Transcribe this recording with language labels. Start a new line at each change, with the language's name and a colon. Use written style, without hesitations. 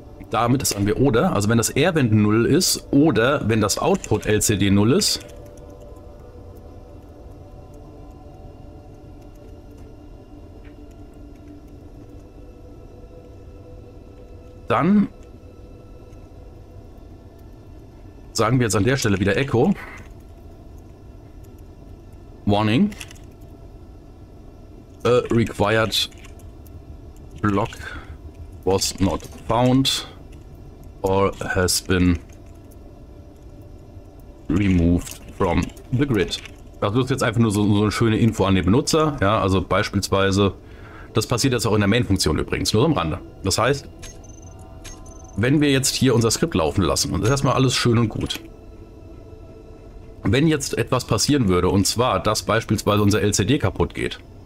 German: Damit sagen wir oder, also wenn das Airvent 0 ist oder wenn das Output LCD 0 ist, dann sagen wir jetzt an der Stelle wieder Echo.
English: Warning. A required block was not found or has been removed from the grid.
German: Das ist jetzt einfach nur so eine schöne Info an den Benutzer. Ja, also beispielsweise, das passiert jetzt auch in der Main-Funktion übrigens, nur so am Rande. Das heißt, wenn wir jetzt hier unser Skript laufen lassen, und das ist erstmal alles schön und gut. Wenn jetzt etwas passieren würde, und zwar, dass beispielsweise unser LCD kaputt geht.